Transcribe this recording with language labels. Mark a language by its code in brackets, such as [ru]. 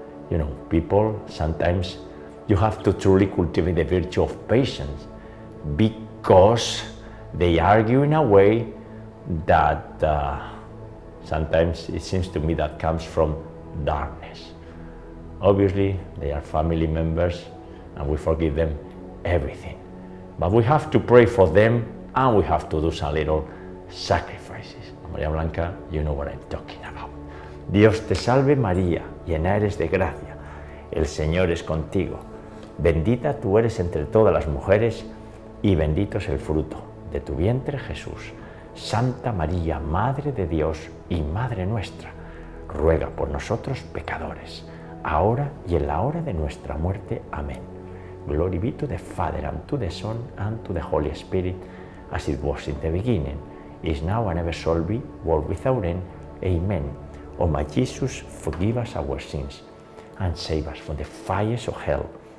[en] You know, people, sometimes you have to truly cultivate the virtue of patience, because they argue in a way that sometimes it seems to me that comes from darkness. Obviously, they are family members and we forgive them everything. But we have to pray for them and we have to do some little sacrifices. Maria Blanca, you know what I'm talking about. [es] Dios te salve María, llena eres de gracia. El Señor es contigo. Bendita tú eres entre todas las mujeres y bendito es el fruto de tu vientre, Jesús. Santa María, Madre de Dios y Madre nuestra, ruega por nosotros pecadores, ahora y en la hora de nuestra muerte. Amén. [en] Glory be to the Father, and to the Son, and to the Holy Spirit, as it was in the beginning, is now and ever shall be, world without end. Amen. O my Jesus, forgive us our sins, and save us from the fires of hell.